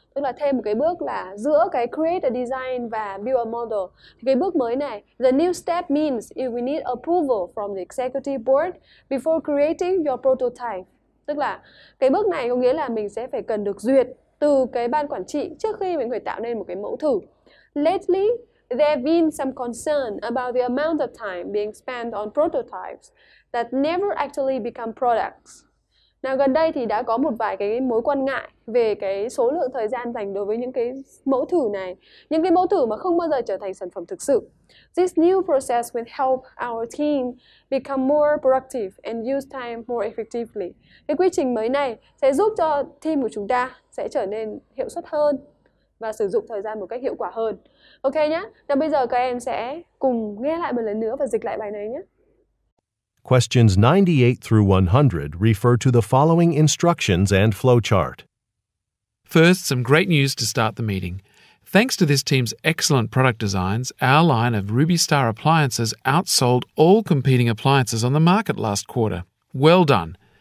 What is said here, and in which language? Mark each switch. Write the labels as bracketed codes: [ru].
[vi] Tức là thêm một cái bước là giữa cái [en] create a design [vi] và [en] build a model. [vi] Thì cái bước mới này, [en] the new step means if we need approval from the executive board before creating your prototype. [vi] Tức là cái bước này có nghĩa là mình sẽ phải cần được duyệt từ cái ban quản trị trước khi mình phải tạo nên một cái mẫu thử. [en] Lately, there have been some concern about the amount of time being spent on prototypes that never actually become products. [vi] Nào, gần đây thì đã có một vài cái mối quan ngại về cái số lượng thời gian dành đối với những cái mẫu thử này, những cái mẫu thử mà không bao giờ trở thành sản phẩm thực sự. [en] This new process will help our team become more productive and use time more effectively. [vi] Cái quy trình mới này sẽ giúp cho team của chúng ta sẽ trở nên hiệu suất hơn và sử dụng thời gian một cách hiệu quả hơn. Ok nhé. Nào bây giờ các em sẽ cùng nghe lại một lần nữa và dịch lại bài này nhé. [en] Questions 98 through 100 refer to the following instructions and flowchart. First, some great news to start the meeting. Thanks to this team's excellent product designs, our line of Ruby Star appliances outsold all competing appliances on the market last quarter. Well done.